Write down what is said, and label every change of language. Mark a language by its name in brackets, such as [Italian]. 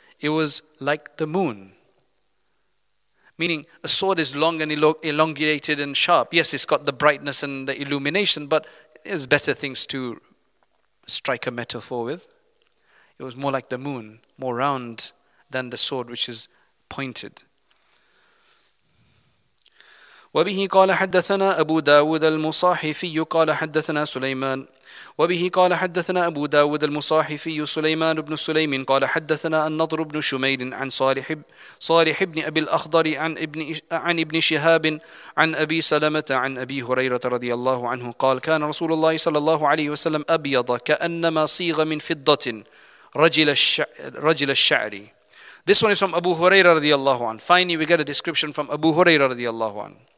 [English] It was like the moon. Meaning, a sword is long and elongated and sharp. Yes, it's got the brightness and the illumination, but there's better things to strike a metaphor with. It was more like the moon, more round than the sword, which is pointed. [Arabic] وبه قال حدثنا أبو داود المصاحفي قال حدثنا سليمان وبه قال حدثنا أبو داود المصاحفي سليمان بن سليم قال حدثنا النضر بن شميل عن صالح بن أبي الأخضر عن ابن شهاب عن أبي سلمة عن أبي هريرة رضي الله عنه قال كان رسول الله صلى الله عليه وسلم أبيض كأنما صيغ من فضة رجل الشعر. [English] This one is from Abu Huraira رضي الله عنه. Finally we get a description from Abu Huraira رضي الله عنه.